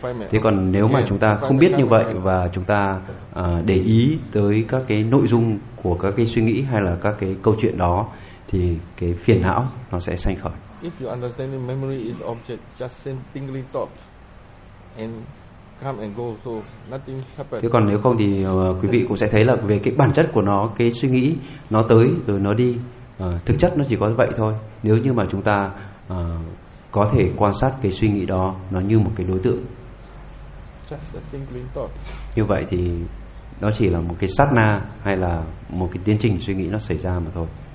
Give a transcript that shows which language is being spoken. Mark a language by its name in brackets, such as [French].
[Vietnamese] Thế còn nếu mà chúng ta không biết như vậy và chúng ta để ý tới các cái nội dung của các cái suy nghĩ hay là các cái câu chuyện đó, thì cái phiền não nó sẽ sanh khởi. [English] If you understand the memory is object just simply thought and come and go, so nothing happens. [Vietnamese] Thế còn nếu không thì quý vị cũng sẽ thấy là về cái bản chất của nó, cái suy nghĩ nó tới rồi nó đi, thực chất nó chỉ có vậy thôi. Nếu như mà chúng ta có thể quan sát cái suy nghĩ đó, nó như một cái đối tượng. [English] Just a tingling thought. [Vietnamese] Như vậy thì nó chỉ là một cái sát na hay là một cái tiến trình suy nghĩ nó xảy ra mà thôi.